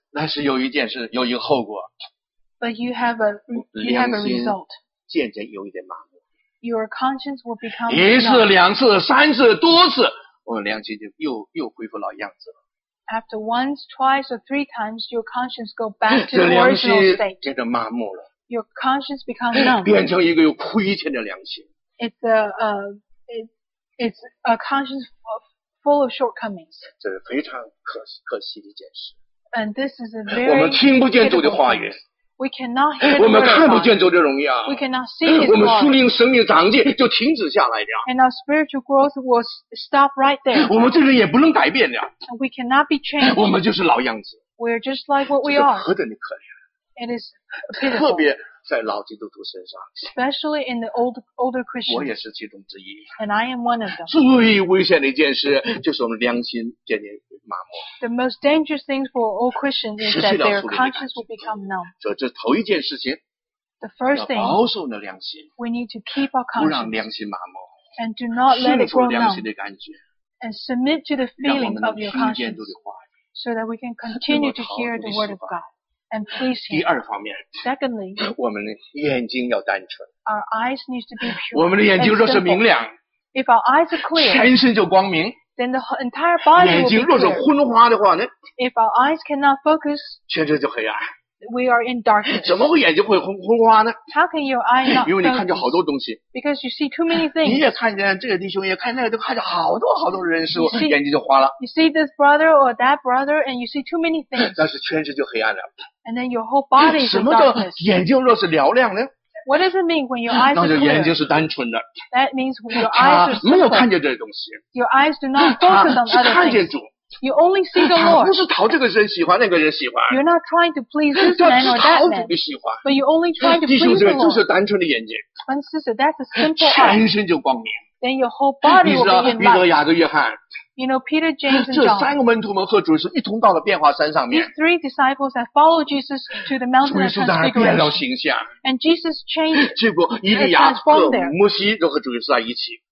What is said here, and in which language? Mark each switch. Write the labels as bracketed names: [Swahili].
[Chinese] 但是有一件事，有一个后果。 [English] But you have a result. [Chinese] 渐渐有一点麻木。 [English] Your conscience will become [Chinese] 一次两次三次多次，我们良心就又恢复老样子了。 [English] After once, twice, or three times, your conscience go back to the original state. [Chinese] 这良心变得麻木了。 [English] Your conscience becomes numb. [Chinese] 变成一个有亏欠的良心。 [English] It's a conscience full of shortcomings. [Chinese] 这是非常可惜的一件事。 [English] And this is a very [Chinese] 我们听不见主的话语。 [English] We cannot hear the word of God. [Chinese] 我们看不见主的荣耀。 [English] We cannot see His glory. [Chinese] 我们属灵生命长进就停止下来了。 [English] And our spiritual growth will stop right there. [Chinese] 我们这人也不能改变了。 [English] We cannot be changed. [Chinese] 我们就是老样子。 [English] We're just like what we are. [Chinese] 这是何等的可怜。 [English] It is pitiful. [Chinese] 特别在老基督徒身上。 [English] Especially in the older Christians. [Chinese] 我也是其中之一。 [English] And I am one of them. [Chinese] 最危险的一件事就是我们良心渐渐。 [English] The most dangerous thing for all Christians is that their conscience will become numb. [Chinese] 这头一件事情 [English] The first thing, [Chinese] 要保守的良心 [English] we need to keep our conscience, [Chinese] 不让良心麻木 [English] and do not let it grow numb, [Chinese] 顺服良心的感觉 [English] and submit to the feeling of your conscience, so that we can continue to hear the word of God and please Him. [Chinese] 第二方面 [English] secondly, [Chinese] 我们的眼睛要单纯 [English] our eyes need to be pure and simple. [Chinese] 我们的眼睛若是明亮 [English] if our eyes are clear, [Chinese] 全身就光明 [English] Then the entire body will be clear. [Chinese] 眼睛若是昏花的话呢 [English] If our eyes cannot focus, [Chinese] 全身就黑暗 [English] We are in darkness. [Chinese] 怎么会眼睛会昏花呢 [English] How can your eye not focus? [Chinese] 因为你看见好多东西 [English] Because you see too many things. [Chinese] 你也看见这个弟兄，也看那个，都看见好多好多人事物，眼睛就花了 [English] You see this brother or that brother, and you see too many things. [Chinese] 但是全身就黑暗了 [English] And then your whole body is in darkness. [Chinese] 什么叫眼睛若是嘹亮呢 [English] What does it mean when your eyes are clear? [Chinese] 那就眼睛是单纯的 [English] That means your eyes are simple. [Chinese] 没有看见这些东西 [English] Your eyes do not focus on other things. [Chinese] 看见主 [English] You only see the Lord. [Chinese] 不是讨这个人喜欢，那个人喜欢。 [English] You're not trying to please this man or that man. [Chinese] 只讨主的喜欢。 [English] But you're only trying to please the Lord. [Chinese] 弟兄姊妹，就是单纯的眼睛。 [English] And sister, that's a simple eye. [Chinese] 全身就光明。 [English] Then your whole body will be in light. [Chinese] 你知道彼得、雅各、约翰。 [English] You know, Peter, James, and John. [Chinese] 这三个门徒们和主耶稣一同到了变化山上面。 [English] These three disciples that followed Jesus to the mountain of transfiguration. [Chinese] 主耶稣当然变了形象。 [English] And Jesus changed. [Chinese] 结果以利亚和摩西都和主耶稣在一起。